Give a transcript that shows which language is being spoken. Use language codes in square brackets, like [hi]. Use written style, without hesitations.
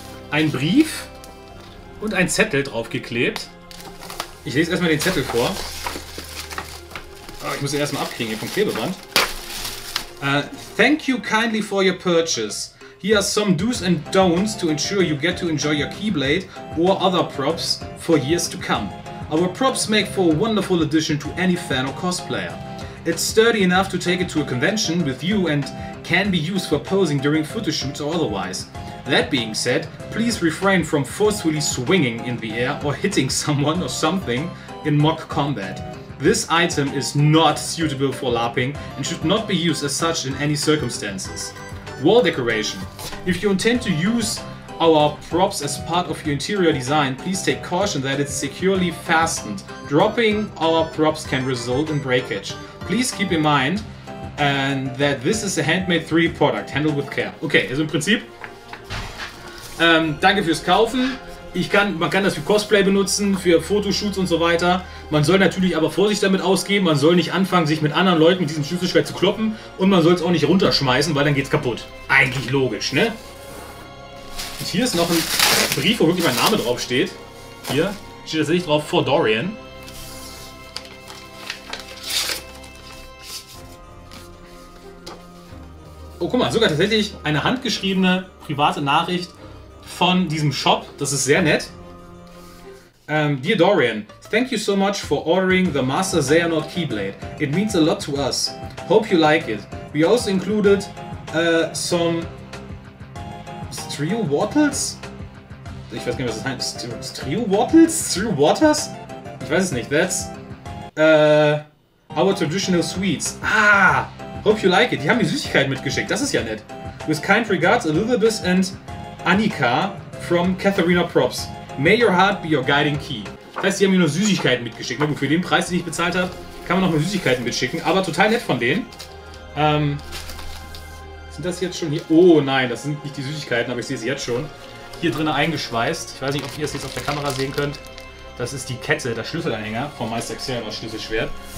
[de] Ein Brief und ein Zettel draufgeklebt. Ich lese erstmal den Zettel vor. Ich muss ihn erstmal abkriegen hier vom Klebeband. [en] Thank you kindly for your purchase. Here are some do's and don'ts to ensure you get to enjoy your Keyblade or other props for years to come. Our props make for a wonderful addition to any fan or cosplayer. It's sturdy enough to take it to a convention with you and can be used for posing during photoshoots or otherwise. That being said, please refrain from forcefully swinging in the air or hitting someone or something in mock combat. This item is not suitable for LARPing and should not be used as such in any circumstances. Wall decoration. If you intend to use Our props as part of your interior design, please take caution that it's securely fastened. Dropping our props can result in breakage. Please keep in mind and that this is a handmade 3D product. Handle with care. [de] Okay, also im Prinzip. Danke fürs Kaufen. Man kann das für Cosplay benutzen, für Fotoshoots und so weiter. Man soll natürlich aber Vorsicht damit ausgeben. Man soll nicht anfangen, sich mit anderen Leuten mit diesem Schlüsselschwert zu kloppen. Und man soll es auch nicht runterschmeißen, weil dann geht's kaputt. Eigentlich logisch, ne? Und hier ist noch ein Brief, wo wirklich mein Name draufsteht. Hier steht tatsächlich drauf, For Dorian. Oh, guck mal, sogar tatsächlich eine handgeschriebene private Nachricht von diesem Shop. Das ist sehr nett. [en] Dear Dorian, thank you so much for ordering the Master Xehanort Keyblade. It means a lot to us. Hope you like it. We also included some Strew Wattles? [de] Ich weiß gar nicht, was das heißt. Strew Wattles? Strew Waters? Ich weiß es nicht. [en] That's our traditional sweets. Ah! Hope you like it. [de] Die haben mir Süßigkeiten mitgeschickt. Das ist ja nett. [en] With kind regards, Elizabeth and Annika from Katharina Props. May your heart be your guiding key. [de] Das heißt, die haben mir nur Süßigkeiten mitgeschickt. Na gut, für den Preis, den ich bezahlt habe, kann man auch mal Süßigkeiten mitschicken. Aber total nett von denen. Sind das jetzt schon hier? Oh nein, das sind nicht die Süßigkeiten, aber ich sehe sie jetzt schon. Hier drin eingeschweißt. Ich weiß nicht, ob ihr es jetzt auf der Kamera sehen könnt. Das ist die Kette, der Schlüsselanhänger vom Meister Xehanort Schlüsselschwert.